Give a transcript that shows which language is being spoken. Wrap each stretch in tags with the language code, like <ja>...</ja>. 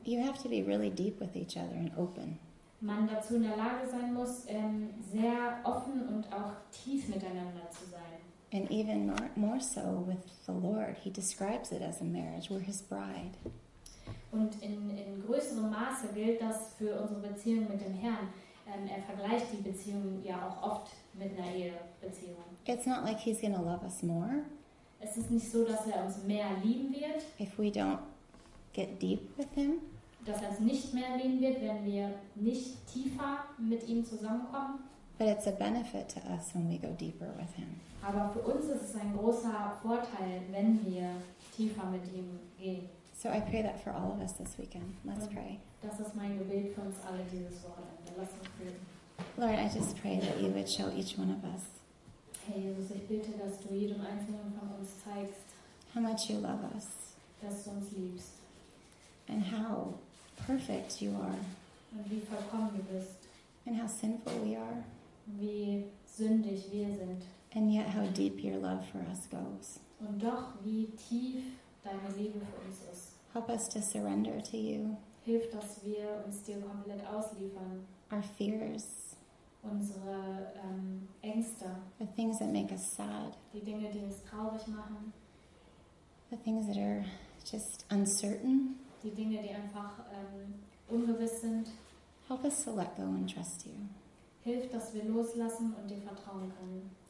<en>you have to be really deep with each other and open.</en> <de>Man dazu in der Lage sein muss, sehr offen und auch tief miteinander zu sein.</de> <en>And even more so with the Lord. He describes it as a marriage. We're his bride.</en> <de>Und in größerem Maße gilt das für unsere Beziehung mit dem Herrn. Er vergleicht die Beziehung auch oft mit einer Ehebeziehung.</de> <en>It's not like he's gonna love us more.</en> <de>Es ist nicht so, dass er uns mehr lieben wird.</de> <en>If we don't get deep with him.</en> <de>Dass er es nicht mehr lieben wird, wenn wir nicht tiefer mit ihm zusammenkommen.</de> <en>But it's a benefit to us when we go deeper with him.</en> <de>Aber für uns ist es ein großer Vorteil, wenn wir tiefer mit ihm gehen.</de> <en>So I pray that for all of us this weekend. Let's pray.</en> <de>Das ist mein Gebet für uns alle dieses Wochenende. Lass uns beten.</de> <en>Lord, I just pray that you would show each one of us.</en> <de>Hey Jesus, ich bitte, dass du jedem einzelnen von uns zeigst,</de> <en>how much you love us.</en> <de>Dass du uns liebst.</de> <en>And how perfect you are.</en> <de>Und wie vollkommen du bist.</de> <en>And how sinful we are.</en> <de>Wie sündig wir sind.</de> <en>And yet how deep your love for us goes.</en> <de>Und doch wie tief deine Liebe für uns ist.</de> <en>Help us to surrender to you.</en> <de>Hilf, dass wir uns dir komplett ausliefern.</de> <en>Our fears.</en> <de>Unsere Ängste.</de> <en>The things that make us sad.</en> <de>Die Dinge, die uns traurig machen.</de> <en>The things that are just uncertain.</en> <de>Die Dinge, die einfach ungewiss sind.</de> <en>Help us to let go and trust you.</en> <de>Hilf, dass wir loslassen und dir vertrauen können.</de>